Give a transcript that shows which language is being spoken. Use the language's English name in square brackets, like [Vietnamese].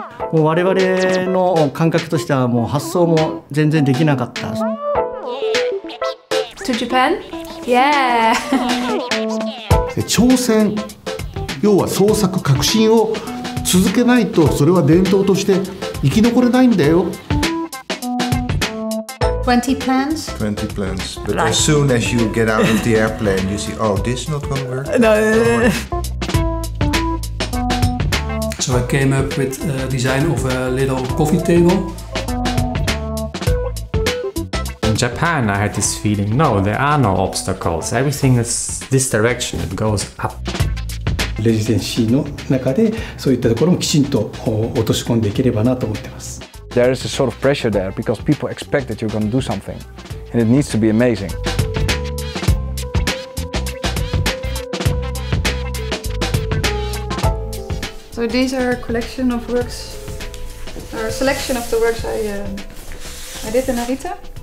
[Japanese] もう我々の感覚としてはもう発想も全然できなかった [English] To Japan? Yeah! [Japanese] 挑戦、要は創作革新を続けないとそれは伝統として生き残れないんだよ [English] 20 plans. But as soon as you get out of the airplane, you see, oh, this is not going to work. No. So I came up with a design of a little coffee table. In Japan, I had this feeling, no, there are no obstacles. Everything is this direction, it goes up. [Japanese] レジデンシーの中でそういったところもきちんと落とし込んでいければなと思ってます。 [English] There is a sort of pressure there because people expect that you're going to do something and it needs to be amazing. So these are a collection of works, or a selection of the works I did in Arita.